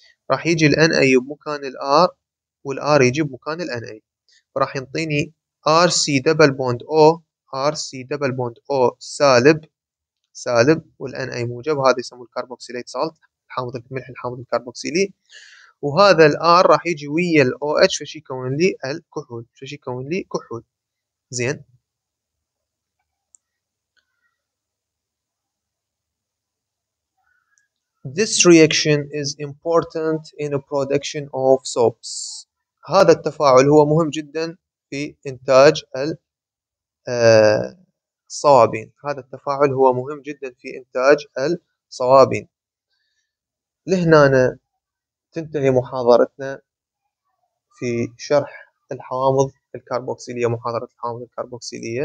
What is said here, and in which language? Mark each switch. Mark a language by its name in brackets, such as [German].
[Arabic] راح يجي الأناي بمكان الآر والR يجي بمكان الـ NA، فراح ينطيني RC دبل بوند O، RC دبل بوند O سالب سالب والـ NA موجب، وهذا يسموه الكربوكسيليت سالت، الحامض الملح الحامض الكربوكسيلي، وهذا الـ R راح يجي ويا الـ OH فشي يكون لي الكحول، فشي يكون لي كحول. [English] زين This reaction is important in the production of soaps. [Arabic] هذا التفاعل هو مهم جدا في إنتاج الصوابين، هذا التفاعل هو مهم جدا في إنتاج الصوابين. لهنا تنتهي محاضرتنا في شرح الحوامض الكربوكسيلية، محاضرة الحوامض الكربوكسيلية.